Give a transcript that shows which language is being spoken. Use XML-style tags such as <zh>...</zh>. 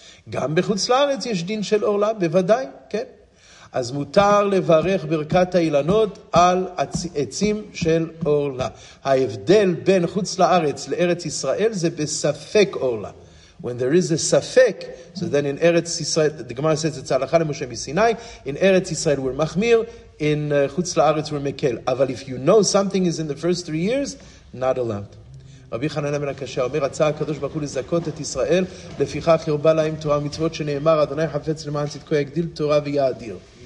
<he>גם בחוץ לארץ יש דין של אורלה, בוודאי, כן. אז מותר לברך ברכת האילנות על עצים של אורלה. ההבדל בין חוץ לארץ לארץ ישראל זה בספק אורלה.</he> <en>When there is a ספק, so then in ארץ ישראל, the Gemara says it's הלכה למשה מסיני, in ארץ ישראל we're מחמיר, in חוץ לארץ we're מקל. אבל if you know something is in the first 3 years, not allowed.</en> <he>רבי חננה בן הקשה אומר, רצה הקדוש ברוך הוא לזכות את ישראל, לפיכך ירבה להם תורה ומצוות שנאמר, אדוני חפץ למען צדקו יגדיל תורה ויאדיר.</he>